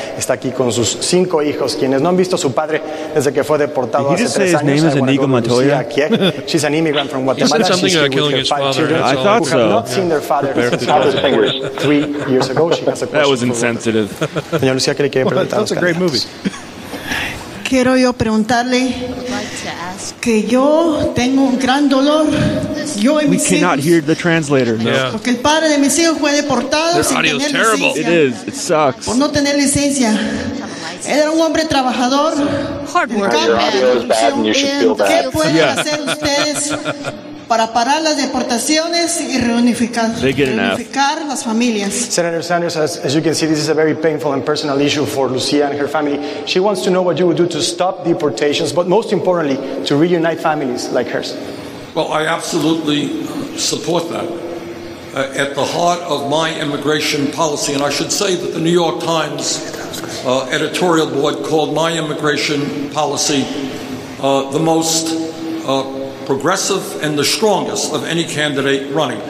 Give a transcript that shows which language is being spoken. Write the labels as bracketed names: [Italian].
[Spanish] Está aquí con sus cinco hijos, quienes no han visto a su padre desde que fue deportado hace tres años. [English] Enigo Montoya? She's an immigrant from Guatemala. She's here with her five children. I thought so. Who have not seen their father since I was 3 years ago. That was insensitive. [Spanish] Señor Lucía, ¿qué le quiere preguntar? [English] That's a great movie. [Spanish] Quiero yo preguntarle que yo tengo un gran dolor. Yo y mis hijos. [English] Hear the translator. No. Yeah. [Spanish] Porque el padre de mis hijos fue deportado sin tener licencia. [English] Terrible. It is. It sucks. [Spanish] Por no tener licencia. Él era un hombre trabajador. [English] Hard work. Your audio is bad and you should feel bad. [Spanish] ¿Qué pueden hacer ustedes para parar las deportaciones y reunificar las familias? [English] Senator Sanders, as you can see, this is a very painful and personal issue for Lucia and her family. She wants to know what you would do to stop deportations, but most importantly, to reunite families like hers. Well, I absolutely support that. At the heart of my immigration policy, and I should say that the New York Times editorial board called my immigration policy the most progressive and the strongest of any candidate running.